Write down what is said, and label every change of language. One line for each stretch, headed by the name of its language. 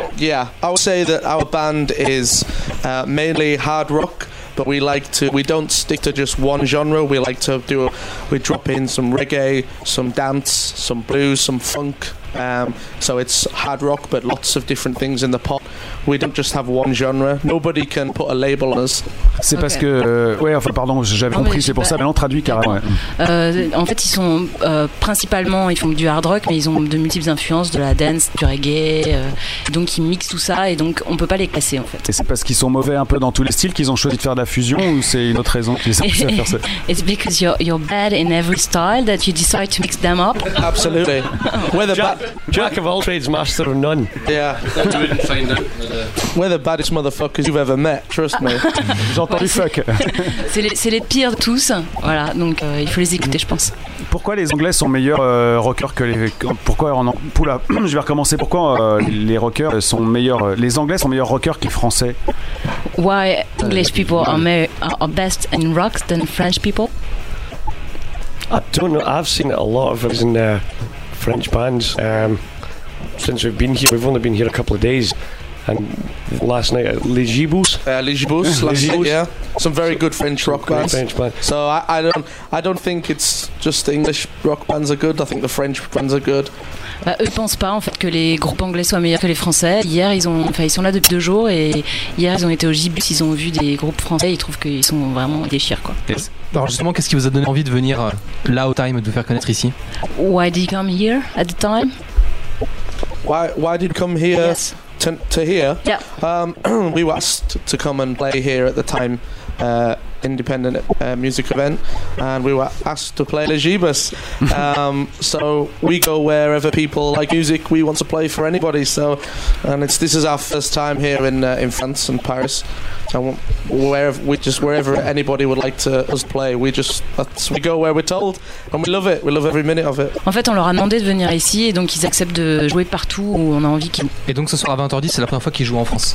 English: Oh, yeah, I would say that our band is mainly hard rock. But we don't stick to just one genre. We like to we drop in some reggae, some dance, some blues, some funk. So it's hard rock, but lots of different things in the pot. We don't just have one genre. Nobody can put a label on us.
French: C'est parce que, ouais, enfin, pardon, j'avais compris, c'est pour ça. Maintenant, traduit carrément. Ouais. En fait, ils sont principalement, ils font du hard rock, mais ils ont de multiples influences, de la dance, du reggae. Donc, ils mixent tout ça, et donc, on peut pas les classer, en fait. Et c'est parce qu'ils sont mauvais un peu dans tous les styles qu'ils ont choisi de faire de la fusion, ou c'est une autre raison qu'ils ont choisi de faire ça?
English: It's because you're bad in every style that you decide to mix them up. Absolutely. We're the Jack of all trades, master of none. Yeah. We're the baddest motherfuckers you've ever met, trust me.
French: J'ai entendu fuck. C'est les pires de tous. Voilà, donc il faut les écouter, je pense. Pourquoi les Anglais sont meilleurs rockers que les... Pourquoi en... Poula, je vais recommencer. Pourquoi les rockers sont meilleurs... Les Anglais sont meilleurs rockers que les Français?
English: Why English people are best in rock than French people? I don't know. I've seen a lot of it in there. French bands. Since we've been here, we've only been here a couple of days, and last night at Les Gibous. Yeah, some very good French rock bands. French band. So I don't think it's just the English rock bands are good. I think the French bands are good.
French: Bah, eux pensent pas en fait que les groupes anglais soient meilleurs que les français. Hier ils sont là depuis deux jours et hier ils ont été au Gibous. Ils ont vu des groupes français. Ils trouvent qu'ils sont vraiment déchirés, quoi.
English: Yes.
French: Alors justement, qu'est-ce qui vous a donné envie de venir là au Time, de vous faire connaître ici?
English: Why did you come here at the Time? Why did you come here? Yes. To here? Yeah. We were asked to come and play here at the Time independent music event, and we were asked to play Les Gibous. So we go wherever people like music. We want to play for anybody. So, and this is our first time here in France and Paris. And wherever anybody would like to us play, we go where we're told, and we love it. We love every minute of it.
French: En fait, on leur a demandé de venir ici, et donc ils acceptent de jouer partout où on a envie qu'ils. Et donc ce soir à 20h10, c'est la première fois qu'ils jouent en France.